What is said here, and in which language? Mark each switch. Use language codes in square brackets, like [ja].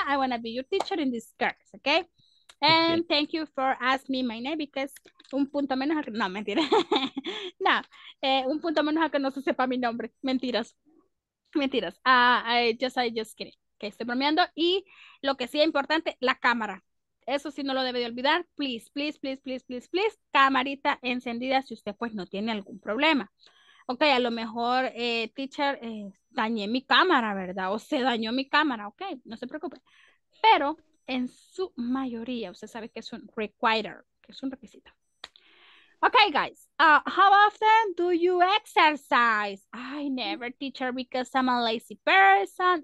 [en] I want to be your teacher in this course, okay? Okay. And thank you for asking me my name because [es] un punto menos a que, no, mentira. No, un punto menos a que no se sepa mi nombre. Mentiras. Mentiras. [en] Just kidding. [es] Que estoy bromeando. Y lo que sí es importante, la cámara. Eso sí no lo debe de olvidar. [en] Please, please, please, please, please, please. [es] Camarita encendida si usted pues no tiene algún problema. Ok, a lo mejor, teacher, dañé mi cámara, ¿verdad? O se dañó mi cámara. Ok, no se preocupe. Pero en su mayoría, usted sabe que es un requirer, que es un requisito. [en] Ok, guys. How often do you exercise? I never, teacher, because I'm a lazy person.